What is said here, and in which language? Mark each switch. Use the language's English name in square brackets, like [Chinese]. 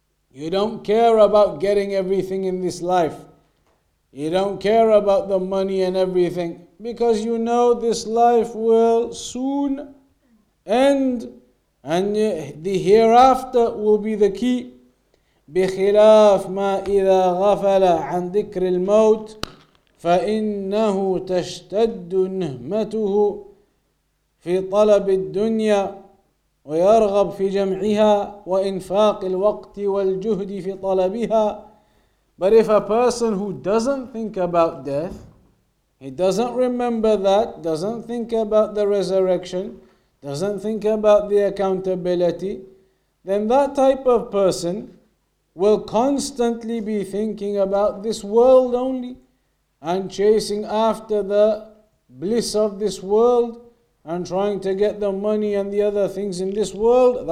[English] You don't care about getting everything in this life. You don't care about the money and everything, because you know this life will soon end, and the hereafter will be the key. [Arabic] بخلاف ما إذا غفل عن ذكر الموت فإنه تشتد نهمته في طلب الدنيا ويرغب في جمعها وإنفاق الوقت والجهد في طلبها. [English] But if a person who doesn't think about death, he doesn't remember that, doesn't think about the resurrection, doesn't think about the accountability, then that type of person will constantly be thinking about this world only and chasing after the bliss of this world and trying to get the money and the other things in this world.